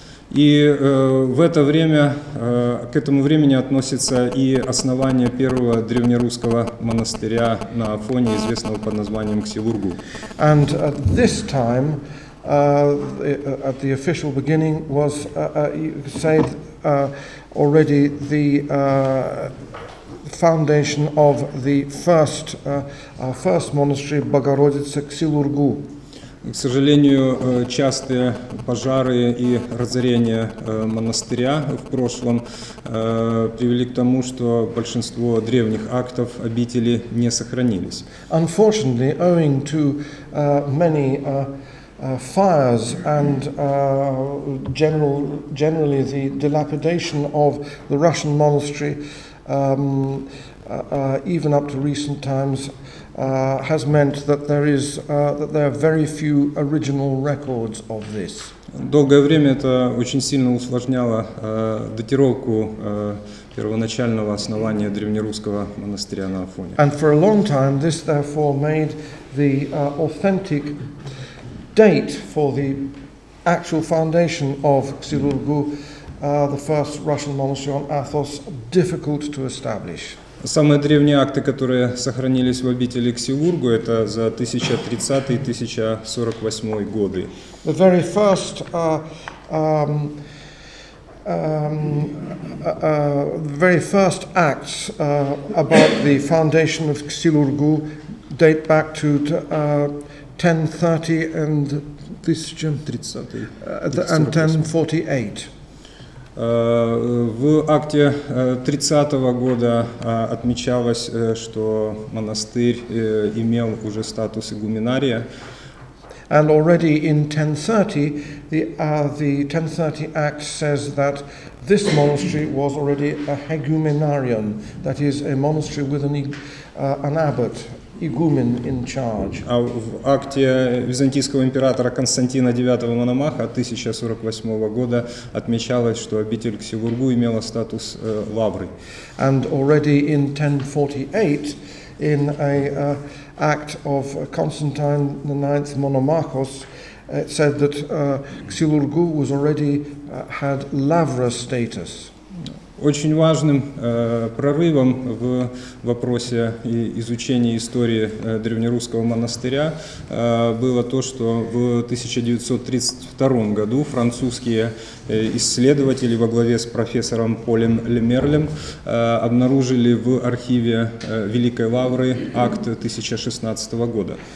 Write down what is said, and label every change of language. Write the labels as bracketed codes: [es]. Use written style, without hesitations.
[ru] И в это время, к этому времени относится и основание первого древнерусского монастыря на Афоне, известного под названием Ксивургу. [en] And at this time, at the official beginning, was, you could say, already the foundation of the first monastery, Богородица Ксивургу. [ru] К сожалению, частые пожары и разорение монастыря в прошлом привели к тому, что большинство древних актов обители не сохранились. [en] Unfortunately, owing to many fires and generally the dilapidation of the Russian monastery, even up to recent times, has meant that there are very few original records of this. [ru] Долгое время это очень сильно усложняло датировку первоначального основания древнерусского монастыря на Афоне. [en] And for a long time, this therefore made the authentic date for the actual foundation of Ksivurgu, the first Russian monastery on Athos, difficult to establish. [ru] Самые древние акты, которые сохранились в обители Ксиургу, это за 1030-1048 годы. [en] The very first very first acts about the foundation of Ksiurgu date back to 1030 and this gym 30 and 1048. [ru] В акте 30-го года отмечалось, что монастырь имел уже статус игуменария. [en] And already in 1030, the 1030 Act says that this monastery was already a hegumenarium, that is, a monastery with an abbot, игумен in charge. [ru] А в акте византийского императора Константина IX Мономаха 1048 года отмечалось, что обитель Ксиургу имела статус лавры. [en] And already in 1048, in a act of Constantine the Ninth Monomachos, it said that Ksiurgu was already had lavra status. [ru] Очень важным прорывом в вопросе изучения истории древнерусского монастыря было то, что в 1932 году французские исследователи во главе с профессором Полем Лемерлем обнаружили в архиве Великой Лавры акт 1016 года.